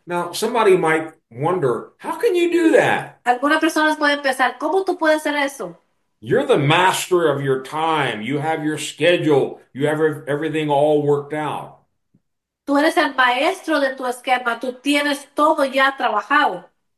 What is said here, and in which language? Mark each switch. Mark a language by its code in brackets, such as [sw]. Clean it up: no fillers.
[en] Now, somebody might wonder, how can you do that? [es] Algunas personas pueden empezar, ¿cómo tú puedes hacer eso? [en] You're the master of your time. You have your schedule. You have everything all worked out. [es] Tú eres el maestro de tu esquema, tú tienes todo ya trabajado.